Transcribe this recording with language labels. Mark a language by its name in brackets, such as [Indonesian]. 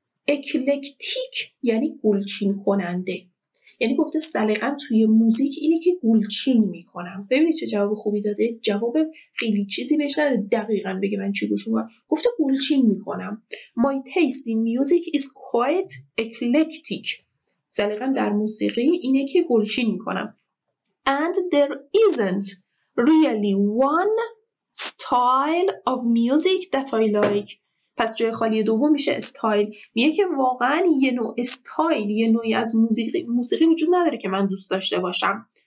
[Persian] eclectic یعنی گلچین کننده، یعنی گفته سلیقه‌ام توی موزیک اینه که گلچین میکنم. ببینید چه جواب خوبی داده، جواب خیلی چیزی بهش داده، دقیقاً بگه من چی گوشم کنم. گفته گلچین میکنم. [English] My taste in music is quite eclectic. [Persian] سلیقه‌ام در موسیقی اینه که گلچین میکنم. [English] And there isn't really one style of music that I like. [Persian] پس جای خالی دوم میشه استایل. میگه که واقعا یه نوع استایل، یه نوعی از موسیقی وجود نداره که من دوست داشته باشم.